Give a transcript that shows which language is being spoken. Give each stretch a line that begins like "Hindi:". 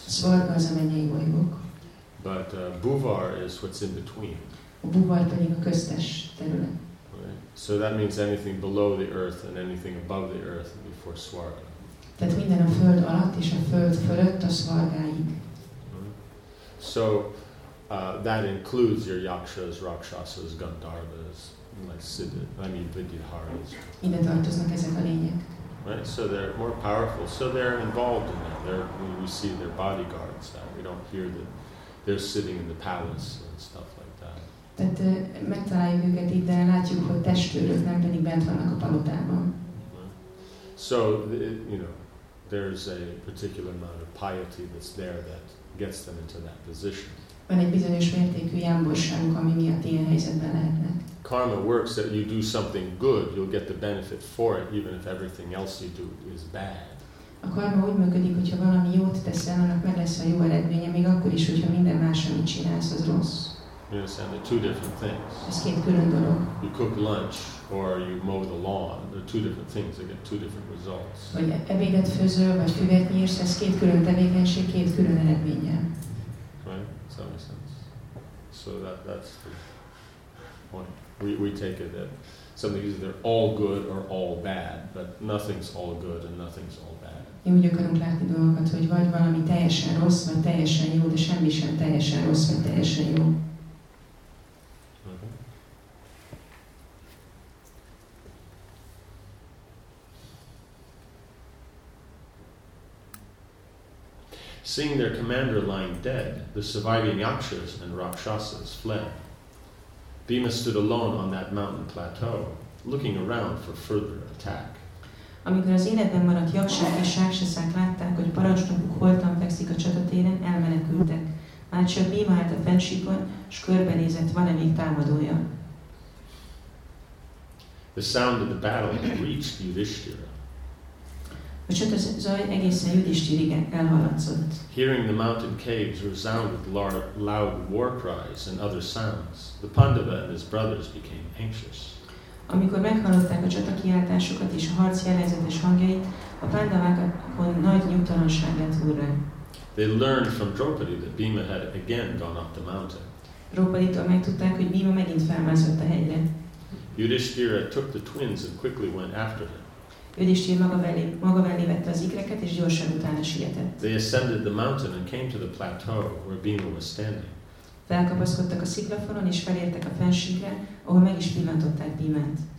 Hungarian: Swarga az a mennyei bolygók.
English: But Buvar is what's in between.
Hungarian: A Buvar pedig a köztes terület.
English: Right? So that means anything below the earth and anything above the earth before Svarga.
Hungarian: Tehát minden a föld alatt és a föld fölött a svargáig.
English: So that includes your yakshas, rakshasas, gandharvas, like vidyaharis.
Hungarian: Ide tartoznak ezek a lények.
English: Right, so they're more powerful. So they're involved in that. We see their bodyguards. That we don't hear that they're sitting in the palace and stuff like that.
Hungarian: Tehát megtaláljuk őket itt, de látjuk, hogy testőrök, nem pedig bent vannak a palotában.
English: So you know, there's a particular amount of piety that's there that gets them into that position.
Hungarian: Van egy bizonyos mértékű jámborság, ami miatt ilyen helyzetben lehetnek.
English: Karma works that you do something good, you'll get the benefit for it, even if everything else you do is bad.
Hungarian: A karma úgy működik, hogyha valami jót teszel, annak meg lesz a jó eredménye, még akkor is, hogyha minden más, amit csinálsz, az rossz.
English: You understand, they're two different things.
Hungarian: Ez két külön dolog.
English: You cook lunch or you mow the lawn. They're two different things. They get two different results.
Hungarian: Vagy ebédet főzöl, vagy füvet nyírsz, ez két külön tevékenység, két külön eredménye.
English: Right? So that makes sense. So that's the point. We take it that something is either all good or all bad, but nothing's all good and nothing's all bad.
Hungarian: Én úgy akarunk látni dolgokat, hogy vagy valami teljesen rossz, vagy teljesen jó, de semmi sem teljesen rossz, vagy teljesen jó.
English: Seeing their commander lying dead, the surviving yakshas and rakshasas fled. Bhima stood alone on that mountain plateau, looking around for further attack.
Hungarian: Amikor az életben maradt yakshák és rakshasák látták, hogy parancsnokuk holtan fekszik a csatatéren, elmenekültek. Már csak Bhima állt a fennsíkon, s körbenézett, van-e még támadója.
English: The sound of the battle reached Yudhishthira.
Hungarian: A csata zaj egészen Yudhishthirig elhaladszott.
English: Hearing the mountain caves resound with loud war cries and other sounds, the Pandava and his brothers became anxious.
Hungarian: Amikor meghallották a csata kiáltásokat és a harc jelezetes hangjait, a Pandavákon nagy nyugtalanság lett úrra.
English: They learned from Draupadi that Bhima had again gone up the mountain.
Hungarian: Draupaditól megtudták, hogy Bhima megint felmászott a hegyre.
English: Yudhishthira took the twins and quickly went after him.
Hungarian: Yudhishthira maga mellé vette az ikreket, és gyorsan utána sietett.
English: They ascended the mountain and came to the plateau where Bhima was standing.
Hungarian: Felkapaszkodtak a sziklafalon, és felértek a fennsíkre, ahol meg is pillantották Bhimát.